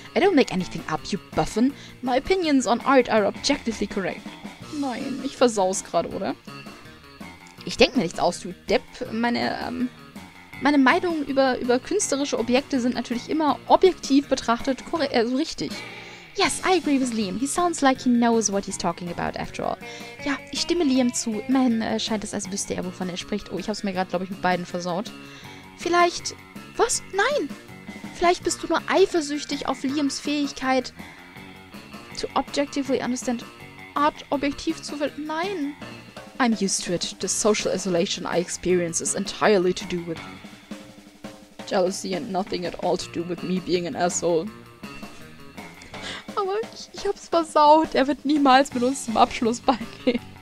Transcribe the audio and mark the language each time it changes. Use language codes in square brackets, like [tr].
[en] I don't make anything up, you buffoon. My opinions on art are objectively correct. [de] Nein, ich versau's gerade, oder? Ich denke mir nichts aus, du Depp. Meine Meinungen über künstlerische Objekte sind natürlich immer objektiv betrachtet so richtig. [en] Yes, I agree with Liam. He sounds like he knows what he's talking about, after all. [de] Ja, ich stimme Liam zu. Immerhin scheint es, als wüsste er, wovon er spricht. Oh, ich habe es mir gerade, glaube ich, mit beiden versaut. Vielleicht... Was? Nein! Vielleicht bist du nur eifersüchtig auf Liams Fähigkeit... [en] ...to objectively understand art [de] objektiv zu ver... Nein! [en] I'm used to it. The social isolation I experience is entirely to do with... ...jealousy and nothing at all to do with me being an asshole. [de] Aber ich hab's versaut. Er wird niemals mit uns zum Abschluss beigehen.